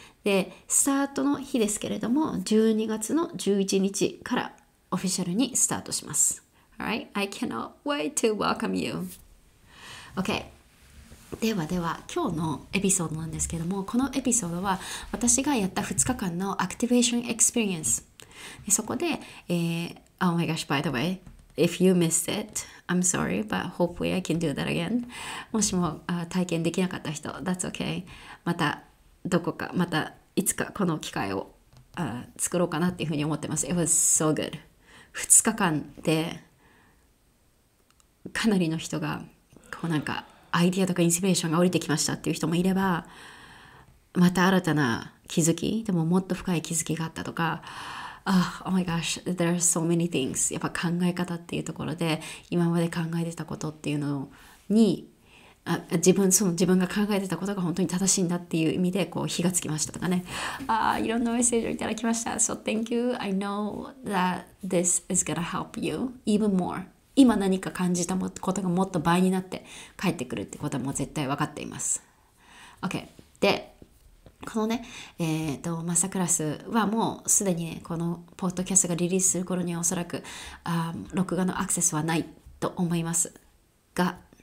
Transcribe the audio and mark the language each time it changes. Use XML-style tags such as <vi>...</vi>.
<ja>でスタートの日ですけれども12月の11日からオフィシャルにスタートします。</ja> <en>Alright, I cannot wait to welcome you. Okay.</en> <ja>ではでは今日のエピソードなんですけども、このエピソードは私がやった2日間のアクティベーションエクスペリエンス。</ja> <en>そこで、Oh my gosh, by the way, if you missed it, I'm sorry, but hopefully I can do that again.</en> <ja>もしも体験できなかった人、</ja> <en>That's okay.</en> <ja>またどこか、またいつかこの機会を作ろうかなっていうふうに思ってます。</ja> <en>It was so good.</en> <ja>2日間でかなりの人がこうなんかアイディアとかインスピレーションが降りてきましたっていう人もいれば、また新たな気づき、でももっと深い気づきがあったとか、</ja> <en>Oh my gosh, there are so many things.</en> <ja>やっぱ考え方っていうところで、今まで考えてたことっていうのに、自分が考えてたことが本当に正しいんだっていう意味でこう火がつきましたとかね。いろんなメッセージをいただきました。</ja> <en>So thank you. I know that this is gonna help you even more.</en> <ja>今何か感じたことがもっと倍になって帰ってくるってことはもう絶対分かっています。</ja> <en>OK。</en> <ja>で、このね、マスタークラスはもうすでにね、このポッドキャストがリリースする頃にはおそらく、録画のアクセスはないと思いますが、</ja>